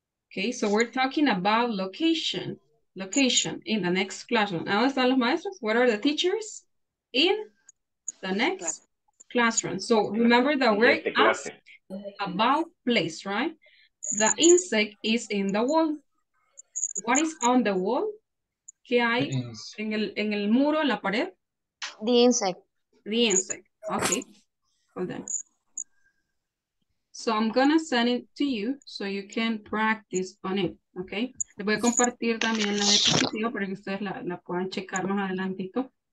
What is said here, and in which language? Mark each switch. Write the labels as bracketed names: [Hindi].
[English] Okay, so we're talking about location. Location in the next classroom. [Spanish] ¿Dónde están los maestros? [English] Where are the teachers? In the next classroom. So remember that we're asked about place, right? The insect is in the wall. What is on the wall? [Spanish] ¿Qué hay en el muro, en la pared? [English] The insect. The insect. Okay. Hold on. So I'm going to send it to you so you can practice on it. Okay. [Spanish] Le voy a compartir también la diapositiva para que ustedes la puedan checar más adelantito.